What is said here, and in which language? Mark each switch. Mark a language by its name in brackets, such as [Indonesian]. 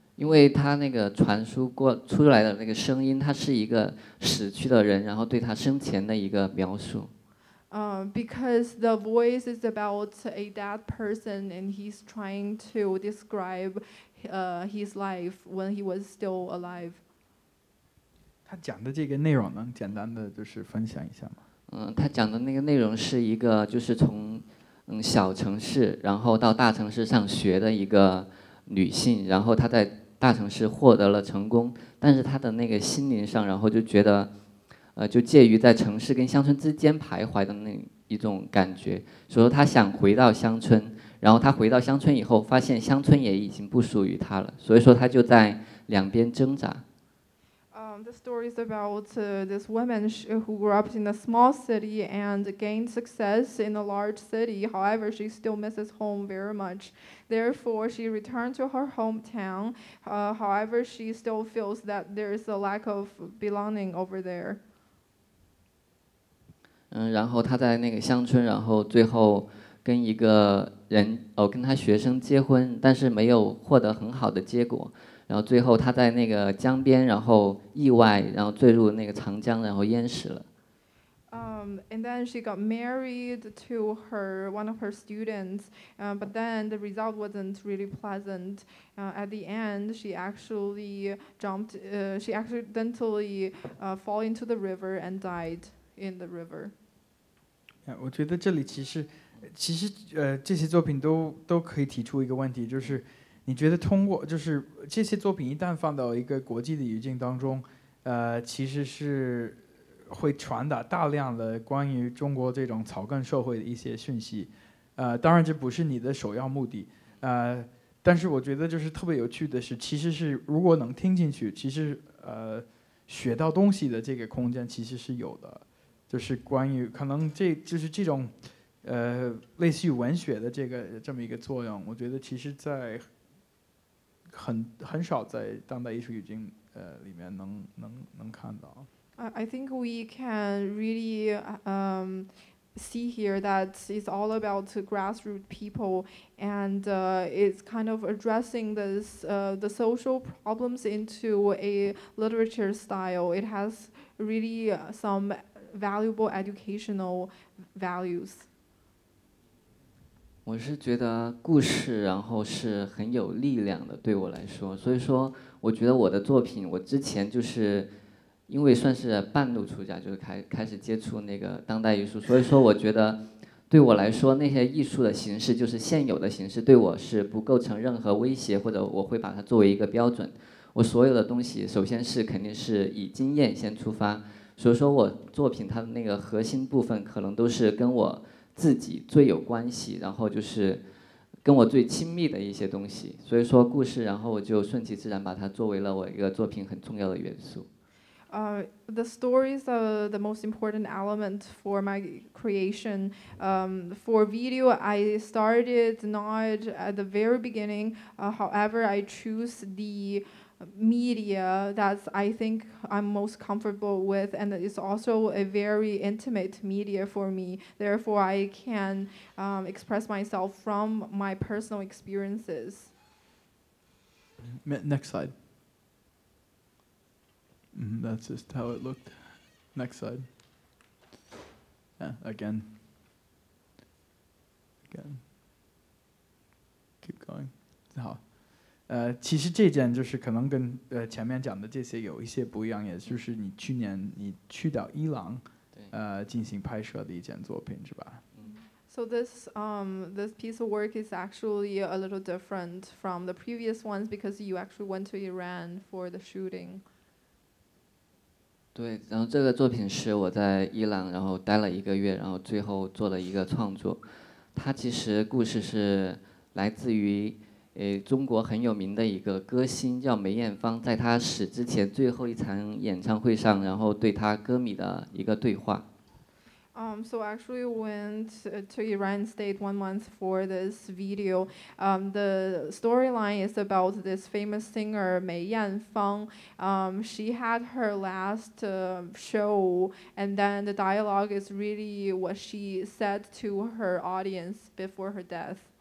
[Chinese] 因为他那个传输过出来的那个声音，他是一个死去的人，然后对他生前的一个描述。 [English] Because the voice is about a dead person, and he's trying to describe, his life when he was still alive. [Chinese] 他讲的这个内容能简单的就是分享一下吗？他讲的那个内容是一个就是从。小城市然后到大城市上学的一个女性，然后她在大城市获得了成功，但是她的那个心灵上然后就觉得就介于在城市跟乡村之间徘徊的那一种感觉，所以说她想回到乡村，然后她回到乡村以后发现乡村也已经不属于她了，所以说她就在两边挣扎。 [English] The story is about this woman who grew up in a small city and gained success in a large city. However, she still misses home very much. Therefore, she returned to her hometown. However, she still feels that there is a lack of belonging over there. [Chinese] 然后她在那个乡村，然后最后跟一个人，跟她学生结婚，但是没有获得很好的结果。然后最后他在那个江边然后意外然后坠入那个长江然后淹死了。 [English] And then she got married to one of her students, but then the result wasn't really pleasant. At the end, she actually jumped, she accidentally fall into the river and died in the river. Yeah, [Chinese] 我觉得这里其实这些作品都可以提出一个问题，就是你觉得通过就是这些作品一旦放到一个国际的语境当中，其实是会传达大量的关于中国这种草根社会的一些讯息，当然这不是你的首要目的，但是我觉得就是特别有趣的是，其实是如果能听进去，其实学到东西的这个空间其实是有的，就是关于可能这就是这种类似于文学的这么一个作用，我觉得其实在很少在当代艺术语境里面能看到。 [English] I think we can really see here that it's all about grassroots people, and it's kind of addressing this the social problems into a literature style. It has really some valuable educational values. [Chinese] 我是觉得故事然后是很有力量的，对我来说，所以说我觉得我的作品，我之前就是因为算是半路出家，就是开始接触那个当代艺术，所以说我觉得对我来说那些艺术的形式，就是现有的形式，对我是不构成任何威胁，或者我会把它作为一个标准。我所有的东西首先是肯定是以经验先出发，所以说我作品它的那个核心部分可能都是跟我自己最有关系，然后就是跟我最亲密的一些东西，所以说故事，然后我就顺其自然把它作为了我一个作品很重要的元素。 [English] The stories are the most important element for my creation. For video, I started not at the very beginning. However, I choose the media that I think I'm most comfortable with, and it's also a very intimate media for me. Therefore, I can express myself from my personal experiences. Next slide. That's just how it looked. Next slide. Yeah, again. Keep going. [Chinese] 好，其实这件就是可能跟前面讲的这些有一些不一样，也就是你去年你去到伊朗，进行拍摄的一件作品，是吧？ [English] So this piece of work is actually a little different from the previous ones because you actually went to Iran for the shooting. [Chinese] 对，然后这个作品是我在伊朗，然后待了一个月，然后最后做了一个创作。它其实故事是来自于中国很有名的一个歌星叫梅艳芳，在她死之前最后一场演唱会上，然后对她歌迷的一个对话。 [English] So actually went to Iran state 1 month for this video. The storyline is about this famous singer Mei Yanfeng. She had her last show, and then the dialogue is really what she said to her audience before her death.